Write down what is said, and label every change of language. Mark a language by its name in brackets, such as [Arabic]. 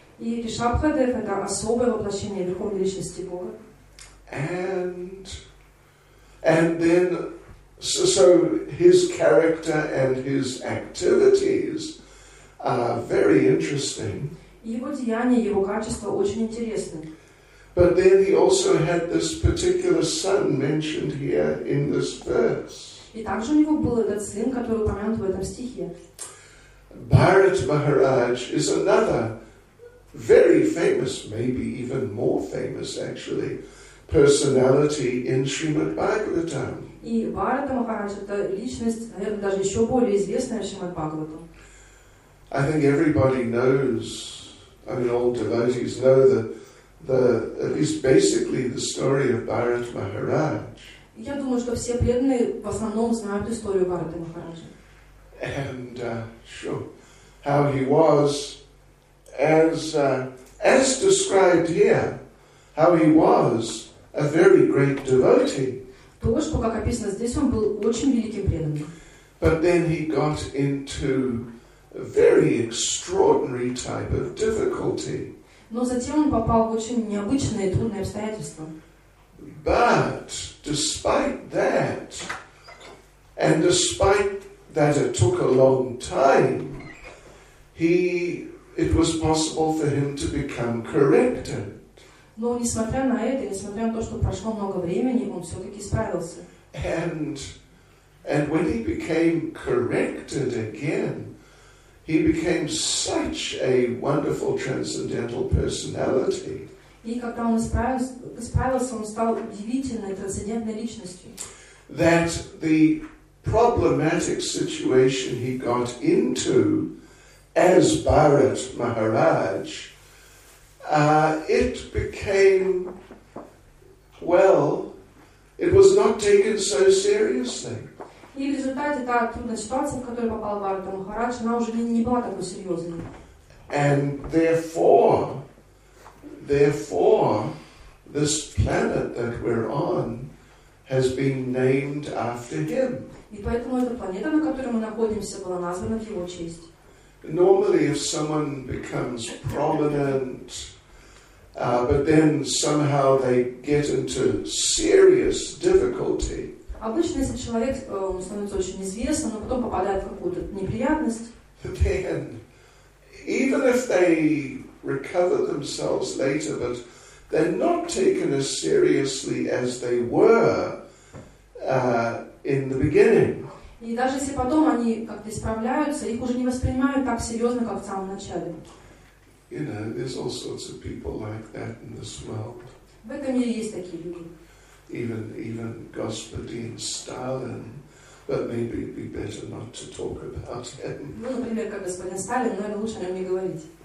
[Russian] И Ришабхадев это особое воплощение Верховной Личности Бога. [English] And then so his character and his activities are very interesting. [Russian] Его деяния, его качества очень интересны. [English] But then he also had this particular son mentioned here in this verse. [Russian] И также у него был этот сын, который упомянут в этом стихе. [English] Bharat Maharaj is another very famous, maybe even more famous actually, personality in Srimad Bhagavatam. [Russian] И Bharat Maharaj это личность, наверное, даже еще более известная, чем Srimad Bhagavatam. [English] I think everybody knows, I mean all devotees know the at least basically the story of Bharat Maharaj. [Russian] Я думаю, что все преданные в основном знают историю Бхарата Махараджа. [English] And sure, how he was, as described here, how he was a very great devotee. [Russian] То, что как описано здесь, он был очень великим преданным. [English] But then he got into a very extraordinary type of difficulty. [Russian] Но затем он попал в очень необычные и трудные обстоятельства. [English] But despite that it took a long time, it was possible for him to become corrected. [Russian] Но несмотря на это, несмотря на то, что прошло много времени, он все-таки справился. [English] And when he became corrected again, he became such a wonderful transcendental personality. [Russian] И когда он исправился, он стал удивительной трансцендентной личностью. [English] That the problematic situation he got into as Bharat Maharaj, it became, well, it was not taken so seriously. [Russian] И в результате та трудная ситуация, в которую попал Bharat Maharaj, она уже не была такой серьезной. [English] And therefore, this planet that we're on has been named after him. [Russian] И поэтому эта планета, на которой мы находимся, была названа в его честь. [English] Normally, if someone becomes prominent, but then somehow they get into serious difficulty. [Russian] Обычно, если человек становится очень известным, но потом попадает в какую-то неприятность. [English] Then, even if they recover themselves later, but they're not taken as seriously as they were in the beginning. [Russian] И даже если потом они как-то исправляются, их уже не воспринимают так серьезно, как в самом начале. [English] You know, there's all sorts of people like that in this world. [Russian] В этом мире есть такие люди. [English] Even [Russian] Господин [English] Сталин. But maybe it'd be better not to talk about him. [Russian] Ну, например, как господин Сталин, но это лучше о нем не говорить.